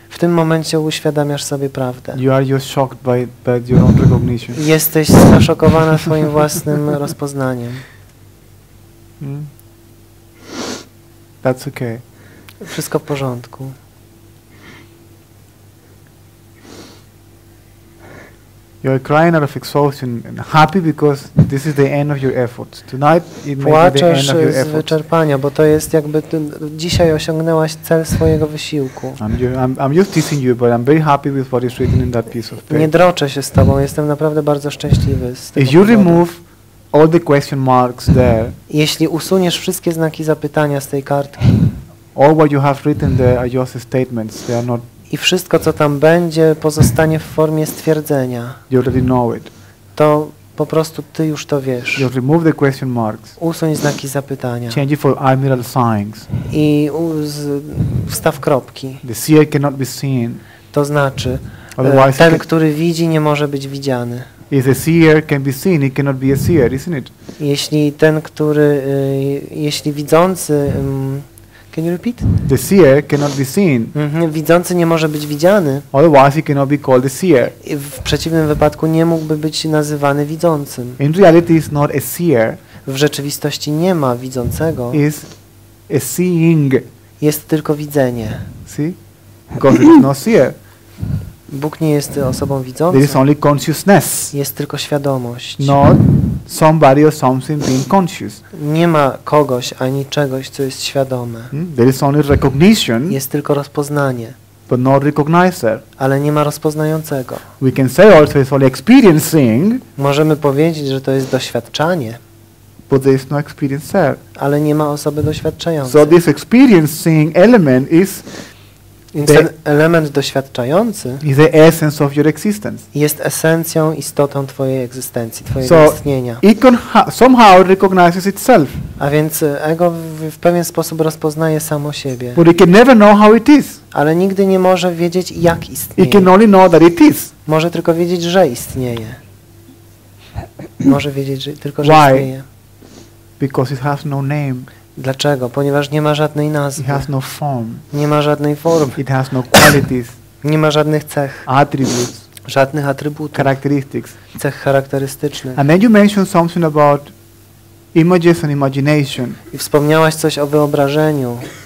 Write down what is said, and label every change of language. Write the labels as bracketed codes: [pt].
[pl] W tym momencie uświadamiasz sobie prawdę. [en] You're shocked by your own recognition. [pl] Jesteś zaszokowana swoim własnym rozpoznaniem. [en] That's okay. [pl] Wszystko w porządku. [en] You're crying out of exhaustion and happy because this is the end of your efforts. Tonight it may be the end of your efforts. [pl] Wyczerpania, bo to jest jakby dzisiaj osiągnęłaś cel swojego wysiłku. [en] I'm just teasing you, but I'm very happy with what is written in that piece of paper. [pl] Nie droczę się z tobą, jestem naprawdę bardzo szczęśliwy z tego. [en] If you remove all the question marks there, [pl] jeśli usuniesz wszystkie znaki zapytania z tej kartki, [en] all what you have written there are just statements. They are not. [pl] I wszystko, co tam będzie, pozostanie w formie stwierdzenia. [en] You already know it. [pl] To po prostu ty już to wiesz. [en] You remove the question marks. [pl] Usuń znaki zapytania. [en] Change it for admiral signs. [pl] I wstaw kropki. [en] The seer cannot be seen. [pl] To znaczy, [en] otherwise [pl] ten, który widzi, nie może być widziany. [en] If a seer can be seen, he cannot be a seer, isn't it? [pl] Jeśli ten, który, jeśli widzący. [en] Can you repeat? The seer cannot be seen. [pl] Widzący nie może być widziany. [en] Otherwise he cannot be called the seer. [pl] W przeciwnym wypadku nie mógłby być nazywany widzącym. [en] In reality is not a seer. [pl] W rzeczywistości nie ma widzącego. [en] Is a seeing. [pl] Jest tylko widzenie. [en] See? God is not seer. [pl] Bóg nie jest osobą widzącą. [en] There is only consciousness. [pl] Jest tylko świadomość. [en] Not somebody or something being conscious. [pl] Nie ma kogoś ani czegoś, co jest świadome. [en] There is only recognition. [pl] Jest tylko rozpoznanie. [en] But not recognizer. [pl] Ale nie ma rozpoznającego. [en] We can say also it's only experiencing. [pl] Możemy powiedzieć, że to jest doświadczanie. [en] But there is no experiencer. [pl] Ale nie ma osoby doświadczającej. [en] So this experiencing element is. [pl] Więc ten element doświadczający [en] is the essence of your existence. [pl] Jest esencją, istotą twojej egzystencji, twojego [en] so [pl] istnienia. [en] Somehow recognizes itself. [pl] A więc ego w pewien sposób rozpoznaje samo siebie. [en] But it can never know how it is. [pl] Ale nigdy nie może wiedzieć, jak istnieje. [en] It can only know that it is. [pl] Może tylko wiedzieć, że istnieje. Może wiedzieć, że, tylko, że [en] why? [pl] Istnieje. [en] Because it has no name. [pl] Dlaczego? Ponieważ nie ma żadnej nazwy. [en] It has no form. [pl] Nie ma żadnej formy. [en] It has no qualities. [pl] Nie ma żadnych cech. [en] Attributes. [pl] Żadnych atrybutów. [en] Characteristics. [pl] Cech charakterystycznych. [en] And then you mentioned something about images and imagination. [pl] I wspomniałaś coś o wyobrażeniu.